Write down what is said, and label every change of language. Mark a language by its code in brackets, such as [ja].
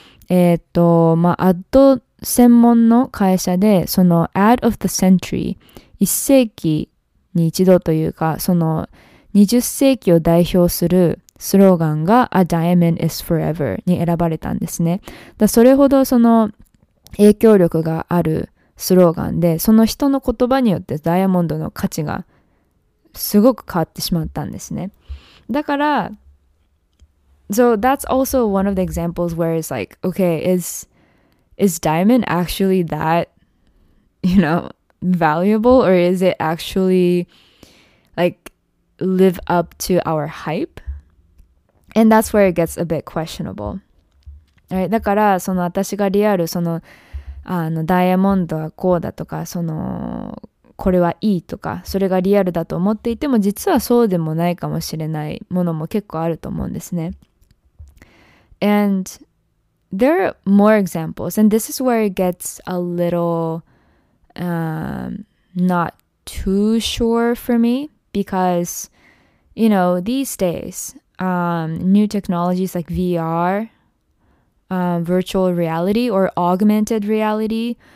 [ja] まあ、アッド専門の会社で、そのアッド [en] of the century、 [ja] 一世紀に一度というか、その20世紀を代表するスローガンが [en] A diamond is forever [ja] に選ばれたんですね。だそれほどその影響力があるスローガンで、その人の言葉によってダイヤモンドの価値がすごく変わってしまったんですね。だから [en] So that's also one of the examples where it's like, okay, is diamond actually that, you know, valuable, or is it actually like live up to our hype? And that's where it gets a bit questionable. All right, [ja] だからその私がリアル、その、あのダイヤモンドはこうだとか、そのこれはいいとか、それがリアルだと思っていても、実はそうでもないかもしれないものも結構あると思うんですね。 [en] And there are more examples, and this is where it gets a little not too sure for me, because, you know, these days, new technologies like VR, virtual reality or augmented reality,